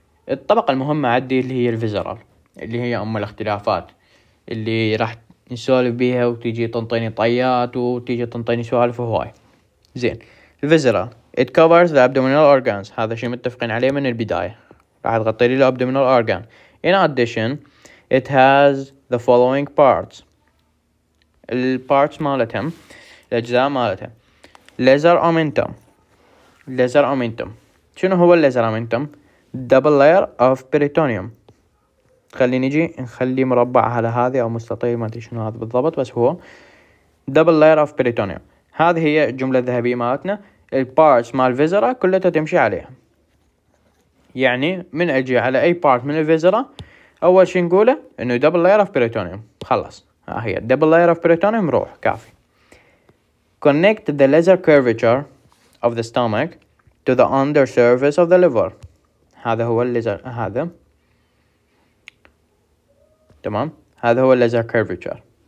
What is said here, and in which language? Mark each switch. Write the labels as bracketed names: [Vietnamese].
[Arabic] الطبقة المهمة عندي اللي هي الفيزرال، اللي هي ام الاختلافات اللي راح نسولف بيها، وتيجي تنطيني طيات وتيجي تنطيني سوالف هواي. زين، الفيزرال [English] it covers the abdominal organs، [Arabic] هذا شيء متفقين عليه من البداية، راح تغطي لي الابدومينال اورجان. [English] In addition it has the following parts، [Arabic] البارتس مالتهم الاجزاء مالتهم ليزر اومنتوم. ليزر اومنتوم شنو هو الليزر اومنتوم؟ [English] Double layer of peritoneum. [Arabic] خليني نجي نخلي مربع على هذه او مستطيل، ما ادري شنو هذا بالضبط، بس هو دبل لاير اوف بريتونيوم. هذه هي الجمله الذهبيه مالتنا، البارتس مال فيزرا كلها تمشي عليها، يعني من اجي على اي بارت من الفيزرا اول شيء نقوله انه دبل لاير اوف بريتونيوم، خلص ها هي دبل لاير اوف بريتونيوم، روح كافي. [English] connect the lesser curvature of the stomach to the under surface of the liver، [Arabic] هذا هو الليزر، هذا تمام، هذا هو الليزر كيرفيتشر.